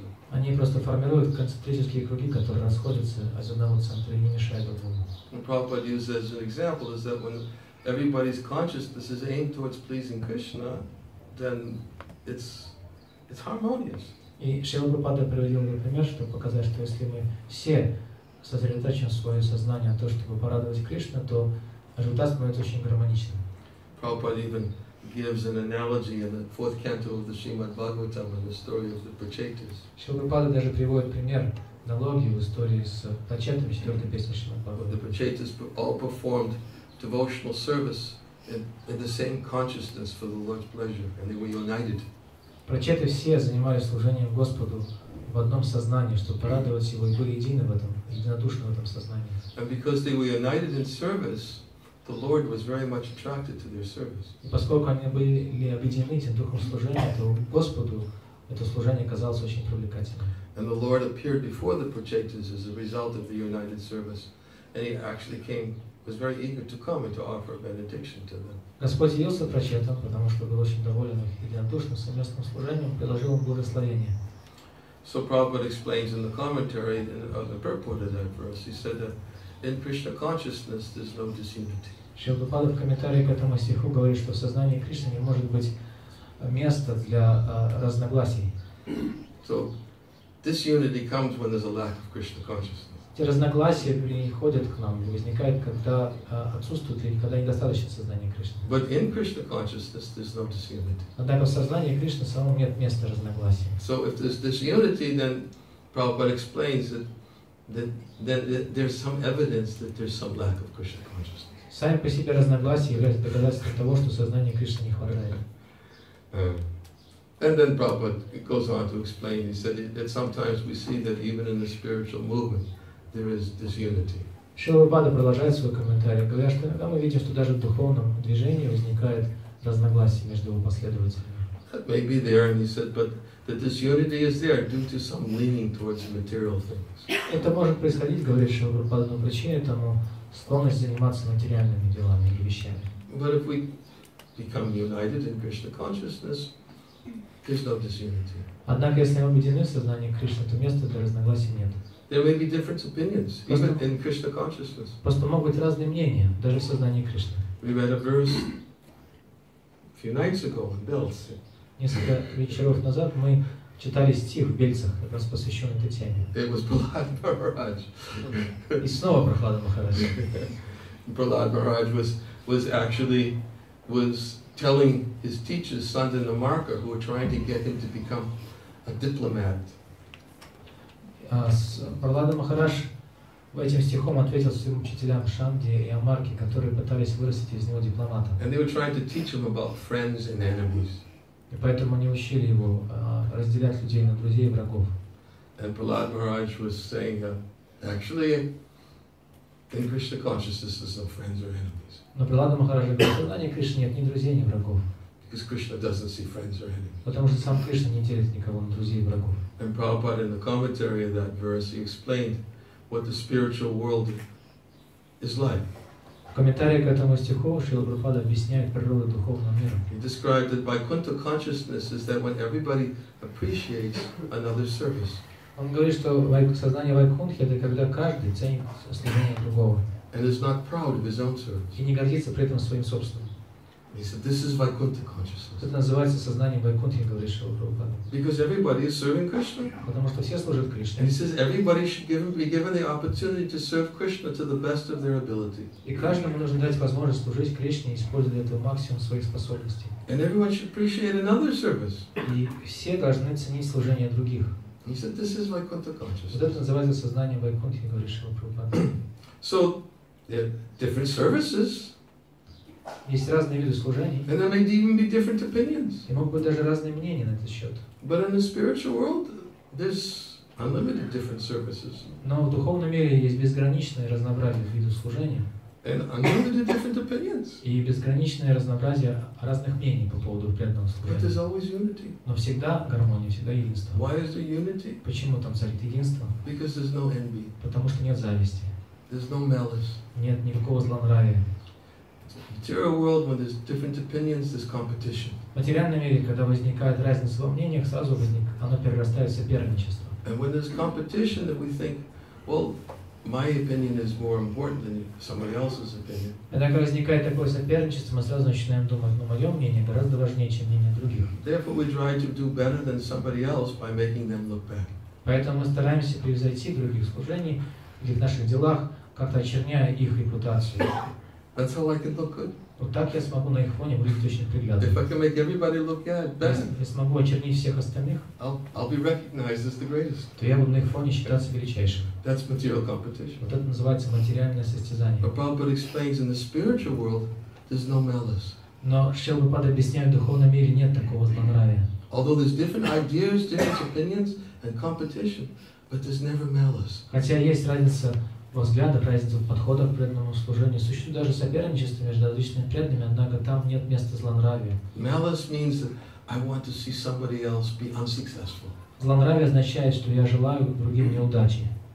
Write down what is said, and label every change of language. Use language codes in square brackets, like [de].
[ru] Они просто формируют концентрические круги, которые расходятся от одного центра и не мешают друг другу. [en] Prabhupada uses as an example is that when everybody's consciousness is aimed towards pleasing Krishna, then it's harmonious. [ru] И Шрила Прабхупада приводил пример, чтобы показать, что если мы все сосредоточим свое сознание на то, чтобы порадовать Кришну, то результат становится очень гармоничным. [en] Prabhupada even gives an analogy in the fourth canto of the Srimad Bhagavatam in the story of the Pachetas. [ru] Шрила Прабхупада даже приводит пример, аналогию в истории с Пачетами, четвертой песней Шримад Бхагаватам. [en] The Pachetas all performed devotional service in the same consciousness for the Lord's pleasure, and they were united. [ru] Пачеты все занимались служением Господу в одном сознании, чтобы порадовать Его, и были едины в этом, единодушны в этом сознании. [en] And because they were united in service, the Lord was very much attracted to their service. [ru] И поскольку они были объединены этим духом служения, то Господу это служение казалось очень привлекательным. [en] And the Lord appeared before the Pachetas as a result of the united service, and He actually came, was very eager to come and to offer a benediction to them. [ru] Господь явился Пачетам, потому что был очень доволен их единодушным совместным служением, предложил им благословение. [en] So Prabhupada explains in the commentary of the purport of that verse, he said that in Krishna consciousness there's no disunity. [ru] Шрила Прабхупада в комментарии к этому стиху говорит, что в сознании Кришны не может быть места для разногласий. [en] So disunity comes when there's a lack of Krishna consciousness. [ru] Эти разногласия приходят к нам, возникают, когда отсутствует или когда недостаточно сознание Кришны. [en] But in Krishna consciousness there's no disunity. [ru] Однако в сознании Кришны самом нет места разногласий. [en] So if there's disunity, then Prabhupada explains that there's some evidence that there's some lack of Krishna consciousness. [ru] Сами по себе разногласия являются доказательством того, что сознания Кришны не хватает. [en] And then Prabhupada goes on to explain, he said that sometimes we see that even in the spiritual movement there is disunity. [ru] Шрила Прабхупада продолжает свой комментарий, говоря, что иногда мы видим, что даже в духовном движении возникает разногласие между его последователями. [en] That may be there, and he said, but the disunity is there due to some leaning towards material things. [ru] Это может происходить, говорит Шрила Прабхупада, но причина этому склонность заниматься материальными делами или вещами. [en] But if we become united in Krishna consciousness, there's no disunity. [ru] Однако, если мы объединены в сознании Кришны, то места для разногласий нет. [en] There may be different opinions, even in Krishna consciousness. [ru] Просто могут быть разные мнения, даже в сознании Кришны. [en] We read a verse a few nights ago in Bels. [ru] Несколько вечеров назад мы читали стих в Бельцах, как раз посвященный этой теме. [en] It was Prahlad Maharaj. [ru] И снова Прахлада Махарадж. [en] Prahlad Maharaj was telling his teachers, Sandana Marka, who were trying to get him to become a diplomat. [ru] Прахлада Махарадж этим стихом ответил своим учителям Шанди и Амарки, которые пытались вырастить из него дипломата. [en] And they were trying to teach him about friends and enemies. [ru] И поэтому они учили его разделять людей на друзей и врагов. [en] And Prahlad Maharaj was saying actually in Krishna consciousness there's no friends or enemies. [ru] Но Прахлада Махарадж говорит, что в сознании Кришны нет ни друзей, ни врагов. [en] Because Krishna doesn't see friends or enemies. [ru] Потому что сам Кришна не делит никого на друзей и врагов. [en] And Prabhupada, in the commentary of that verse, he explained what the spiritual world is like. [ru] комментарии к этому стиху Шрила Прабхупада объясняет природу духовного мира. [en] He described that Vaikuntha consciousness is that when everybody appreciates another's service. [ru] Он говорит, что сознание Вайкунтхи — это когда каждый ценит служение другого. [en] And is not proud of his own service. [ru] И не гордится при этом своим собственным. [en] He said, "This is Vaikuntha consciousness." [ru] Это называется сознание Вайкунтхи, говорит Шрила Прабхупада. [en] Because everybody is serving Krishna. [ru] Потому что все служат Кришне. [en] And he says, "Everybody should be given the opportunity to serve Krishna to the best of their ability." [ru] И каждому нужно дать возможность служить Кришне, используя для этого максимум своих способностей. [en] And everyone should appreciate another service. [ru] И все должны ценить служение других. [en] He said, "This is Vaikuntha consciousness." [ru] Вот это называется сознание Вайкунтхи, говорит Шрила Прабхупада. [en] So, there are different services. [ru] Есть разные виды служений. [en] And there may even be different opinions. [ru] И могут быть даже разные мнения на этот счет. [en] But in the spiritual world, there's unlimited different services. [ru] Но в духовном мире есть безграничное разнообразие видов служения. [en] And unlimited different opinions. [ru] И безграничное разнообразие разных мнений по поводу преданного служения. [en] But there's always unity. [ru] Но всегда гармония, всегда единство. [en] Why is there unity? [ru] Почему там царит единство? [en] Because there's no envy. [ru] Потому что нет зависти. [en] There's no malice. [ru] Нет никакого злонравия. [en] Material world, when there's different opinions, there's competition. [ru] В материальном мире, когда возникает разница во мнениях, сразу возникает, оно перерастает в соперничество. [en] And when there's competition, that we think, well, my opinion is more important than somebody else's opinion. [ru] Когда возникает такое соперничество, мы сразу начинаем думать, ну, мое мнение гораздо важнее, чем мнение других. [en] Therefore, we try to do better than somebody else by making them look bad. [ru] Поэтому мы стараемся превзойти других служений или в наших делах, как-то очерняя их репутацию. [en] That's how I can look good. [ru] Вот так я смогу на их фоне выглядеть очень приглядно. [en] If I can make everybody look good, [ru] если смогу очернить всех остальных, [en] I'll be recognized as the greatest. [ru] То я буду на их фоне считаться величайшим. [en] That's material competition. [ru] Вот это называется материальное состязание. [en] But Prabhupada explains in the spiritual world, there's no malice. [ru] Но Шрила Прабхупада объясняет, в духовном мире нет такого злонравия. [en] Although there's different ideas, different opinions, and competition, but there's never malice. [ru] Хотя есть разница. Взгляды, разница в подходах к преданному служению. Существует даже соперничество между различными преданными, однако там нет места злонравия. [en] Malice means that I want to see somebody else be unsuccessful. [ru] Злонравие означает, что я желаю другим неудачи.